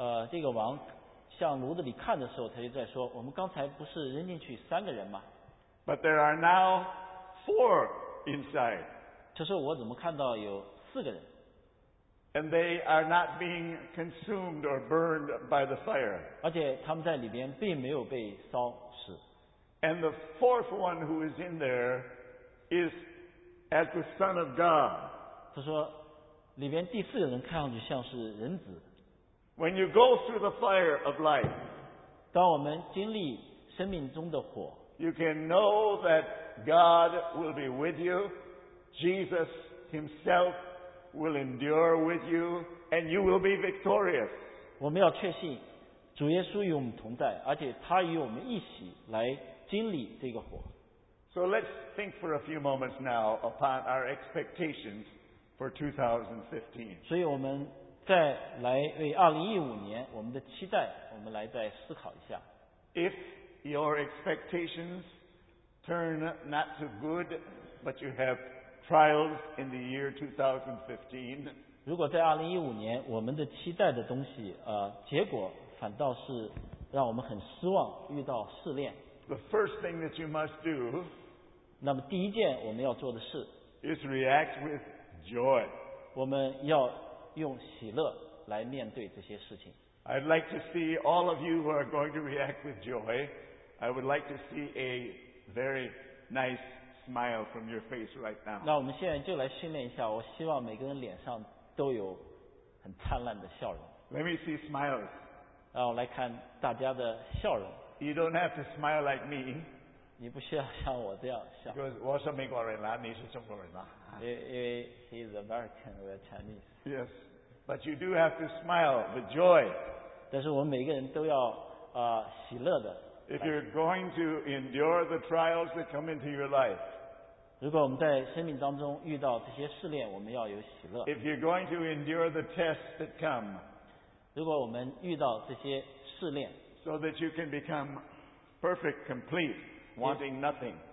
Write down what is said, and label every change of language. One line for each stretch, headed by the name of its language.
Chinese: 这个王向炉子里看的时候，他就在说，我们刚才不是扔进去三个人吗？
English: But there are now four inside.
Chinese: 他说我怎么看到有四个人？
English: And they are not being consumed or burned by the fire.
Chinese: 而且他们在里边并没有被烧死。
English: And the fourth one who is in there is. As the Son of God.
Chinese: 他说，里边第四个人看上去像是人子。
English: When you go through the fire of life,
Chinese: 当我们经历生命中的火，
English: you can know that God will be with you, Jesus Himself will endure with you, and you will be victorious.
Chinese: 我们要确信，主耶稣与我们同在，而且他与我们一起来经历这个火。
English: So let's think for a few moments now upon our expectations for 2015.
Chinese: 所以我们再来为2015年我们的期待，我们来再思考一下。
English: If your expectations turn not to good, but you have trials in the year 2015,
Chinese: 如果在2015年我们的期待的东西，结果反倒是让我们很失望，遇到试炼。
English: The first thing that you must do.
Chinese: 那么第一件我们要做的事
English: is react with joy.
Chinese: 我们要用喜乐来面对这些事情。
English: I'd like to see all of you who are going to react with joy. I would like to see a very nice smile from your face right now.
Chinese: 那我们现在就来训练一下，我希望每个人脸上都有很灿烂的笑容。
English: Let me see smiles.
Chinese: 让我来看大家的笑容。
English: You don't have to smile like me.
Chinese: 你不需要像我这样笑。
English: Because
Chinese: 我是美国人啦，你是中国人啦。因为
English: he is American, we are Chinese. Yes. But you do have to smile with joy.
Chinese: 但是我们每个人都要喜乐的。
English: If you're going to endure the trials that come into your life,
Chinese: 如果我们在生命当中遇到这些试炼，我们要有喜乐。
English: If you're going to endure the tests that come,
Chinese: 如果我们遇到这些试炼
English: ，so that you can become perfect, complete, wanting nothing.